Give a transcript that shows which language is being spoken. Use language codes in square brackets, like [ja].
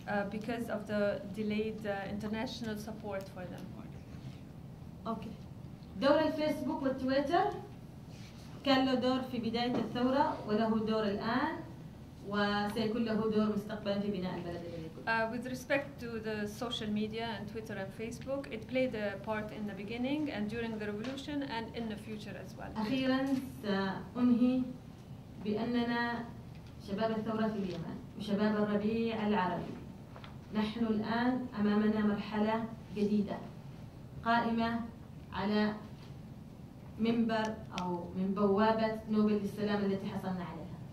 [en] Because of the delayed international support for them. Okay. [ar] دور الفيسبوك والتويتر كان له دور في بداية الثورة وله دور الآن وسيكون له دور مستقبلا في بناء البلد [en] With respect to the social media and Twitter and Facebook, it played a part in the beginning and during the revolution and in the future as well. [ar] أخيرا سأنهي بأننا شباب الثورة في اليمن وشباب الربيع العربي نحن الآن أمامنا مرحلة جديدة قائمة على منبر أو من بوابة نوبل للسلام التي حصلنا عليها.